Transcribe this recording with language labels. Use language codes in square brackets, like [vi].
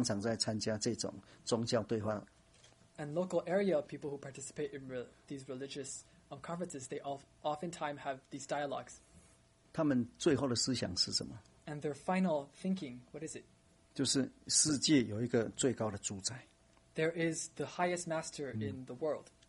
[zh] 那真正的各地，就是那些宗教的宗教人士，他们也是常常在参加这种宗教对话。 [en] And local area people who participate in these religious conferences, they oftentimes have these dialogues. [zh] 他们最后的思想是什么？ [en] And their final thinking, what is it? [zh] 就是世界有一个最高的主宰。 [en] There is the highest master in the world.